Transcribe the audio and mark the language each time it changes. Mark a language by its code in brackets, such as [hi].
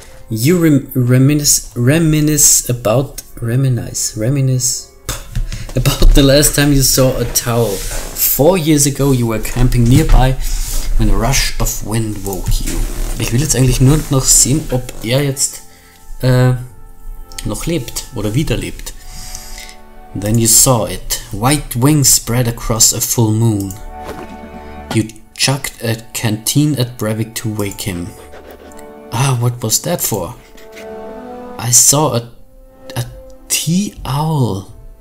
[en] You reminisce about the last time you saw a towel. 4 years ago you were camping nearby when a rush of wind woke you. [de] Ich will jetzt eigentlich nur noch sehen, ob jetzt noch lebt oder wiederlebt. [en] Then you saw it, white wings spread across a full moon. You chucked a canteen at Breivik to wake him. Ah, what was that for? I saw a tea owl.